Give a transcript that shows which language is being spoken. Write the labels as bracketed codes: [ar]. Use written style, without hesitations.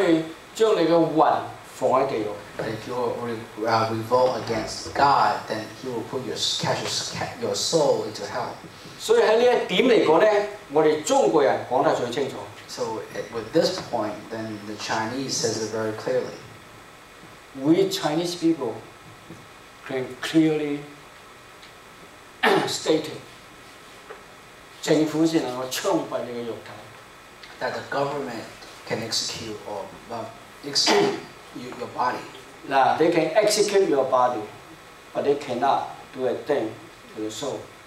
[zh] 你抗拒神呢,他可以將你的魂放在地獄。 [en] And if you revolt against God, then He will put your soul into hell. [zh] 所以在這一點來說呢,我們中國人講得最清楚。 [en] So with this point, then the Chinese says it very clearly. We Chinese people can clearly state it. [zh] 政府是能夠槍斃你的肉體。 [en] That the government can execute or execute your body. Now, they can execute your body, but they cannot do a thing to your soul.